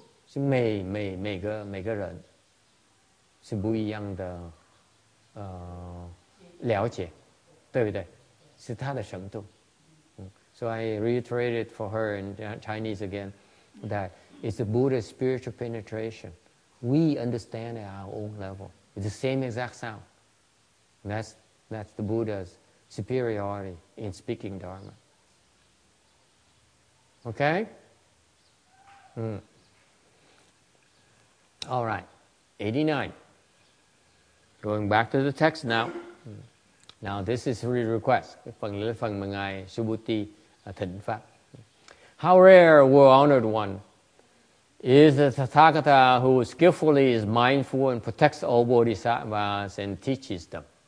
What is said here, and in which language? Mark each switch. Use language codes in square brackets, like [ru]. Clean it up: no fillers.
[zh] 是每个人是不一样的了解，对不对？是他的程度。 [en] So I reiterated for her in Chinese again that it's the Buddha's spiritual penetration. We understand at our own level. It's the same exact sound. That's the Buddha's superiority in speaking Dharma. Okay? All right, 89. Going back to the text now. Now this is a request. [vi] Phần lễ phần mà ngài Subhuti thỉnh pháp. [en] How rare, well honored one, is the Tathagata who skillfully is mindful and protects all bodhisattvas and teaches them.